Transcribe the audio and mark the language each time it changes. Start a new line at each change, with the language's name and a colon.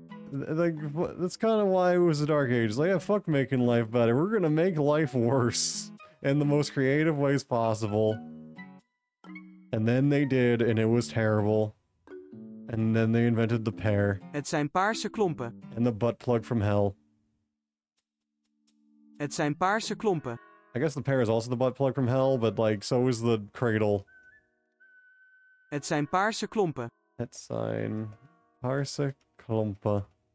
English: Like, that's kind of why it was the Dark Ages. Like, yeah, fuck making life better. We're gonna make life worse. In the most creative ways possible. And then they did, and it was terrible. And then they invented the pear.
Dutch: Het zijn paarse klompen.
English: And the butt plug from hell.
Dutch: Het zijn paarse klompen.
English: I guess the pear is also the butt plug from hell, but like, so is the cradle.
Dutch: Het zijn paarse klompen. Het zijn paarse klompen.